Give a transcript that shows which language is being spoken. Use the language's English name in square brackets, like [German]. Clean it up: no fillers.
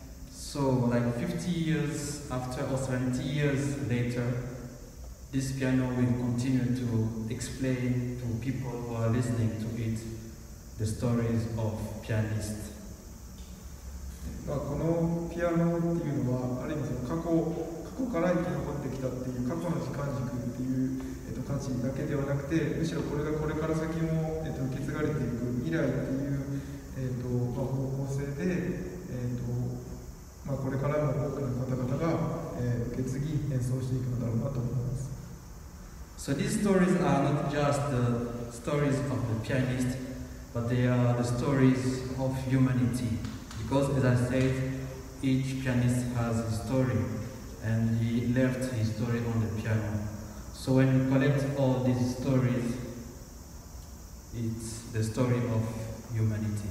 [English] So, like 50 years after or 70 years later, this piano will continue to explain to people who are listening to it the stories of pianists. [Japanese] まあこのピアノっていうのはある意味で過去から生き残ってきたっていう過去の時間軸っていう。価値だけではなくて、むしろこれがこれから先も、受け継がれていく未来っていう、方向性で、これからも多くの方々が、受け継ぎ演奏していくのだろうなと思います。 [English] So these stories are not just the stories of the pianist, but they are the stories of humanity. Because as I said, each pianist has a story, and he left his story on the piano. So when you collect all these stories, it's the story of humanity.